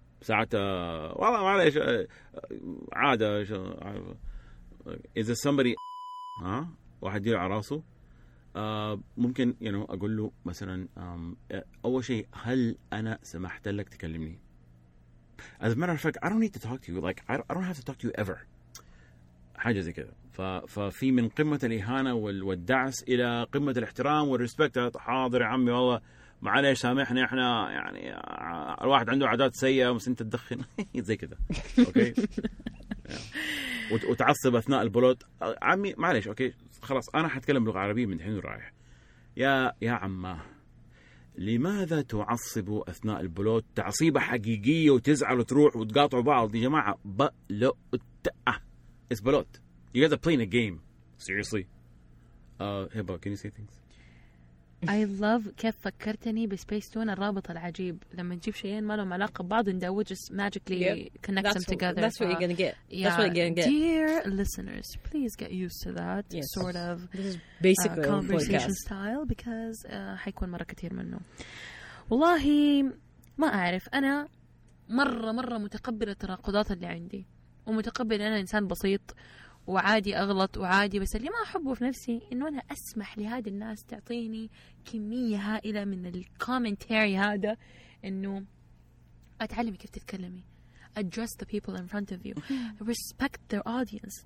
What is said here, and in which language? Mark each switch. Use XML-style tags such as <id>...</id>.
<ar>ساعتها والله معلش عادة</ar> <en>is it somebody</en> <ar>واحد يلعب راسه ممكن</ar> <en>you know</en> <ar>أقول له مثلا أول شيء هل أنا سمحت لك تكلمني?</ar> <en>As a matter of fact, I don't need to talk to you. Like I don't have to talk to you ever.</en> <ar>حاجة زي كده ففي من قمة الإهانة والدعس إلى قمة الاحترام والرسبكت حاضر يا عمي والله معليش سامحني إحنا يعني الواحد عنده عادات سيئة ومسنت تدخن زي كده أوكي وتعصب أثناء البلوت عمي معليش أوكي خلاص أنا حتكلم بلغة عربية من حين رايح يا عمه لماذا تعصبوا أثناء البلوت تعصيبة حقيقية وتزعل وتروح وتقاطعوا بعض يا جماعة بلوت</ar> <en>It's balot. You guys are playing a game. Seriously. Hey, Bob, can you say things? I love</en> <ar>كيف فكرتني بسبيستون الرابط العجيب لما نجيب شيئين ما لهم علاقة بعض</ar> <en>and they would just magically connect that's them together. That's what you're gonna get. Yeah. That's what you're gonna get. Dear listeners, please get used to that sort of basically conversation style because</en> <ar>حيكون مرة كتير منه. والله ما أعرف أنا مرة مرة متقبلة التناقضات اللي عندي ومتقبل أنا إنسان بسيط. وعادي أغلط وعادي بس اللي ما أحبه في نفسي إنه أنا أسمح لهذه الناس تعطيني كمية هائلة من الكومنتاري هذا إنه أتعلم كيف تتكلمي</ar> <en>address the people in front of you respect their audience.</en>